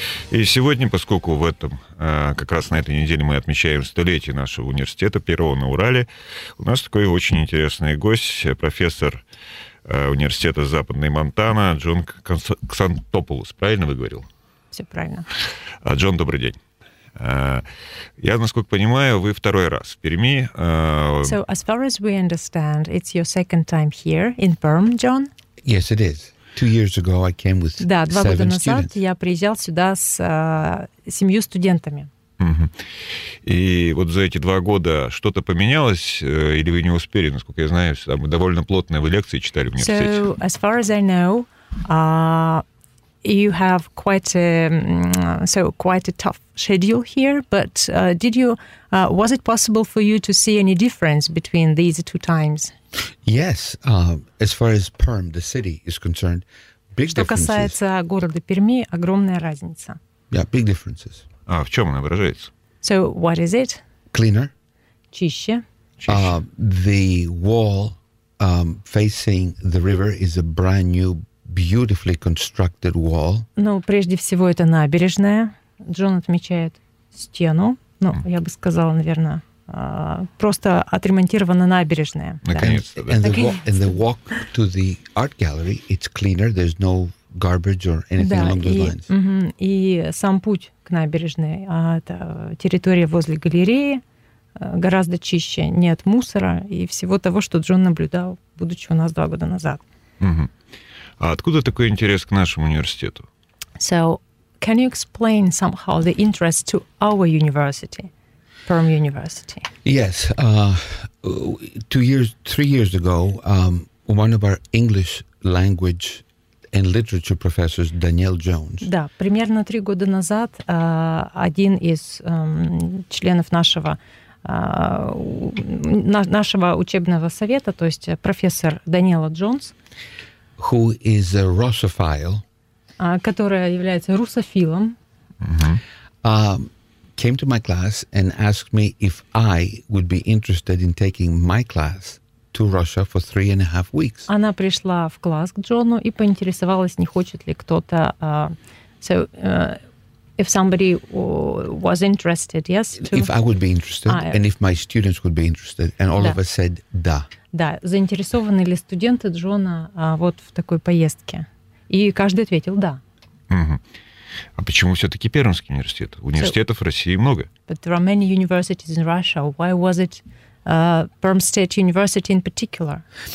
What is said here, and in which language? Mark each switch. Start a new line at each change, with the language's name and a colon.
Russian: И сегодня, поскольку в этом, как раз на этой неделе мы отмечаем столетие нашего университета, первого на Урале, у нас такой очень интересный гость, профессор университета Западной Монтаны Джон Ксантопулос. Правильно вы говорил? Все правильно. Джон, добрый день. Я, насколько понимаю, вы второй раз в Перми.
English: So, as far as we understand, it's your second time here in Perm, John? Yes, it is. 2 years ago I came with seven students.
Russian: Да, 2 года назад я приезжал сюда с 7 студентами. И вот за эти 2 года что-то поменялось, или вы не успели, насколько я знаю, там довольно плотные вы лекции читали в университете?
English: So, as far as I know, you have quite a tough schedule here, but was it possible for you to see any difference between these two times? Yes, as far as Perm, the city, is concerned, big differences.
Russian: Что касается города Перми, огромная разница.
English: Yeah, big differences.
Russian: А в чем она выражается?
English: So what is it? Cleaner.
Russian: Чище.
English: The wall facing the river is a brand new, beautifully constructed wall.
Russian: Ну, прежде всего, это набережная. Джон отмечает стену. Ну, я бы сказала, наверное, просто отремонтирована набережная. Наконец-то, да.
English: And the walk to the art gallery, it's cleaner, there's no garbage or anything
Russian: да,
English: along those lines.
Russian: И сам путь к набережной, это территория возле галереи, гораздо чище, нет мусора и всего того, что Джон наблюдал, будучи у нас 2 года назад. А откуда такой интерес к нашему университету?
English: So, can you explain somehow the interest to our university, Perm University? Yes. Three years ago, one of our English language and literature professors, Danielle Jones.
Russian: Да, примерно 3 года назад один из членов нашего нашего учебного совета, то есть профессор Даниэла Джонс,
English: who is a Russophile,
Russian: которая является русофилом,
English: came to my class and asked me if I would be interested in taking my class to Russia for 3.5 weeks.
Russian: Она пришла в класс к Джону и поинтересовалась, не хочет ли кто-то.
English: So, if somebody was interested, yes? If I would be interested, and if my students would be interested, and all of us said,
Russian: да. Да, заинтересованы ли студенты Джона вот в такой поездке? И каждый ответил «да». А почему все-таки Пермский университет? Университетов в России много.
English: But there are many universities in Russia. Why was it Perm State University in particular?